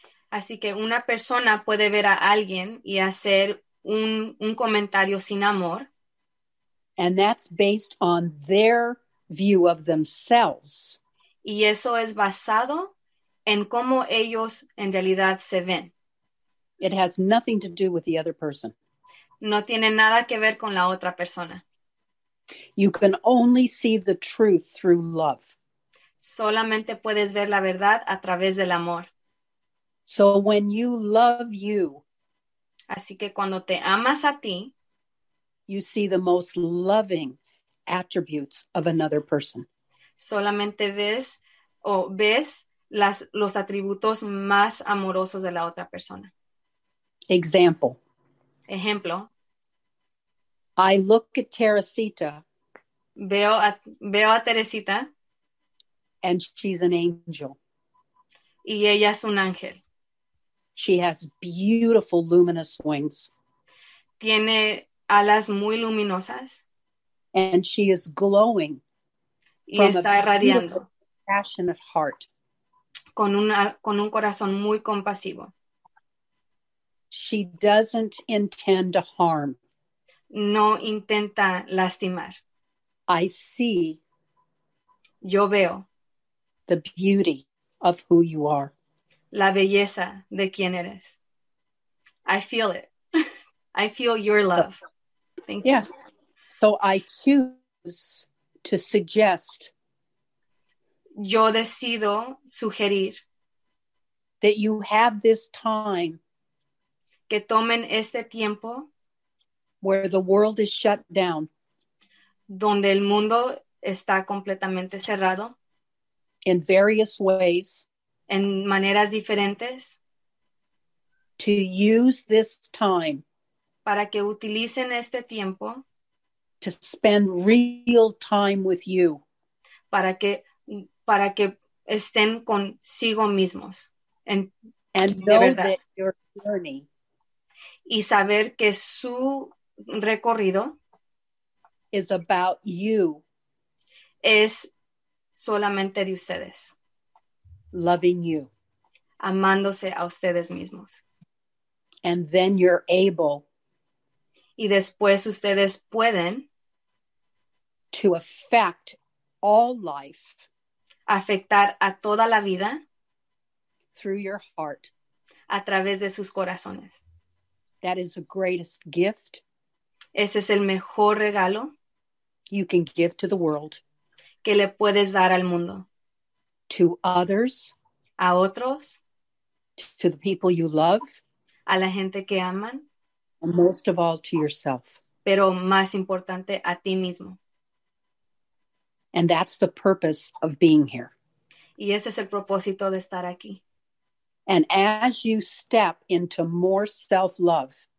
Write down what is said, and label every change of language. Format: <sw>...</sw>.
<es>Así que una persona puede ver a alguien y hacer un comentario sin amor.</es> <en>And that's based on their view of themselves.</en> <es>Y eso es basado en cómo ellos en realidad se ven.</es> <en>It has nothing to do with the other person.</en> <es>No tiene nada que ver con la otra persona.</es> <en>You can only see the truth through love.</en> <es>Solamente puedes ver la verdad a través del amor.</es> <en>So when you love you,</en> <es>así que cuando te amas a ti,</es> <en>you see the most loving attributes of another person.</en> <es>Solamente ves o ves las los atributos más amorosos de la otra persona.</es> <en>Example.</en> <es>Ejemplo.</es> <en>I look at Teresita.</en> <es>Veo a Teresita.</es> <en>And she's an angel.</en> <es>Y ella es un ángel.</es> <en>She has beautiful luminous wings.</en> <es>Tiene alas muy luminosas.</es> <en>And she is glowing.</en> <es>Y está irradiando.</es> <en>Passionate heart.</en> <es>Con un corazón muy compasivo.</es> <en>She doesn't intend to harm.</en> <es>No intenta lastimar.</es> <en>I see.</en> <es>Yo veo.</es> <en>The beauty of who you are.</en> <es>La belleza de quién eres.</es> <en>I feel it. I feel your love. Thank you. Yes. So I choose to suggest.</en> <es>Yo decido sugerir.</es> <en>That you have this time.</en> <es>Que tomen este tiempo.</es> <en>Where the world is shut down.</en> <es>Donde el mundo está completamente cerrado.</es> <en>In various ways.</en> <es>En maneras diferentes.</es> <en>To use this time.</en> <es>Para que utilicen este tiempo.</es> <en>To spend real time with you.</en> <es>Para que estén consigo mismos.</es> <en>And know that your journey.</en> <es>Y saber que su recorrido.</es> <en>Is about you.</en> <es>Es solamente de ustedes.</es> <en>Loving you.</en> <es>Amándose a ustedes mismos.</es> <en>And then you're able.</en> <es>Y después ustedes pueden.</es> <en>To affect all life.</en> <es>Afectar a toda la vida.</es> <en>Through your heart.</en> <es>A través de sus corazones.</es> <en>That is the greatest gift.</en> <es>Ese es el mejor regalo.</es> <en>You can give to the world.</en> <es>Que le puedes dar al mundo.</es> <en>To others.</en> <es>A otros.</es> <en>To the people you love.</en> <es>A la gente que aman.</es> <en>And most of all to yourself.</en> <es>Pero más importante a ti mismo.</es> <en>And that's the purpose of being here.</en> <es>Y ese es el propósito de estar aquí.</es> <en>And as you step into more self-love.</en>